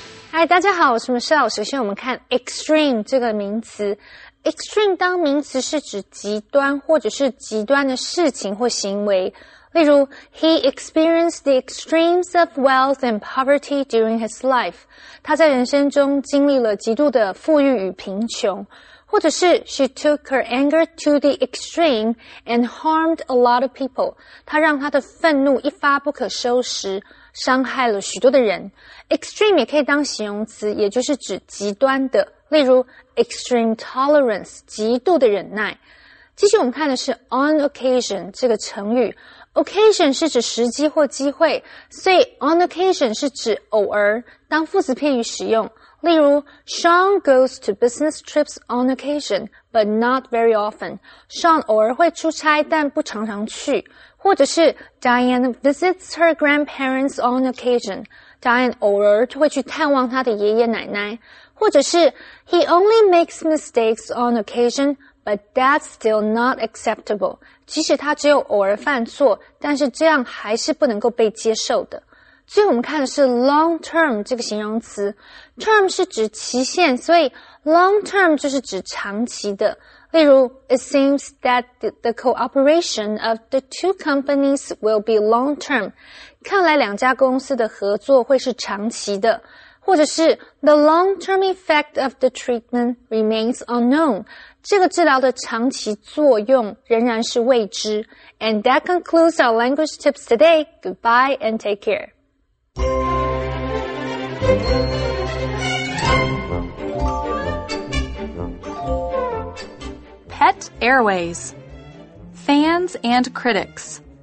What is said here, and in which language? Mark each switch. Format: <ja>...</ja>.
<zh>Hi, 大家好，我是 Michelle。首先，我们看 extreme 这个名词。 extreme 当名词是指极端或者是极端的事情或行为。例如</zh> <en>，He experienced the extremes of wealth and poverty during his life。</en> <zh>他在人生中经历了极度的富裕与贫穷。或者是</zh> <en>，She took her anger to the extreme and harmed a lot of people。</en> <zh>他让他的愤怒一发不可收拾。伤害了许多的人。 Extreme 也可以当形容词，也就是指极端的，例如 extreme tolerance 极度的忍耐。继续我们看的是 on occasion 这个成语。Occasion 是指时机或机会，所以 on occasion 是指偶尔，当副词片语使用。例如</zh> <en>Sean goes to business trips on occasion but not very often。</en> <zh>Sean 偶尔会出差但不常常去。或者是</zh> <en>Diane visits her grandparents on occasion.</en> <zh>Diane 偶尔会去探望她的爷爷奶奶。或者是</zh> <en>He only makes mistakes on occasion, but that's still not acceptable.</en> <zh>即使他只有偶尔犯错，但是这样还是不能够被接受的。最后我们看的是 long term 这个形容词。Term 是指期限，所以 long term 就是指长期的。例如</zh> <en>It seems that the cooperation of the two companies will be long term.</en> <zh>看来两家公司的合作会是长期的。或者是</zh> <en>The long term effect of the treatment remains unknown.</en> <zh>这个治疗的长期作用仍然是未知。</zh> <en>And that concludes our language tips today. Goodbye and take care. Pet Airways. Fans and critics.</en>